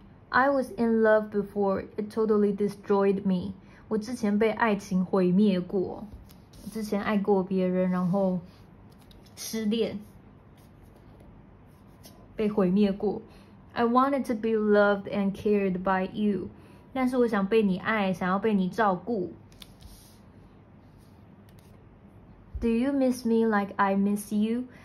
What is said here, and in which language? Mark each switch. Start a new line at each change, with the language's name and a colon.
English: I was in love before. It totally destroyed me.
Chinese: 我之前被爱情毁灭过。之前爱过别人，然后失恋，被毁灭过。
English: I wanted to be loved and cared by you.
Chinese: 但是我想被你爱，想要被你照顾。
English: Do you miss me like I miss you?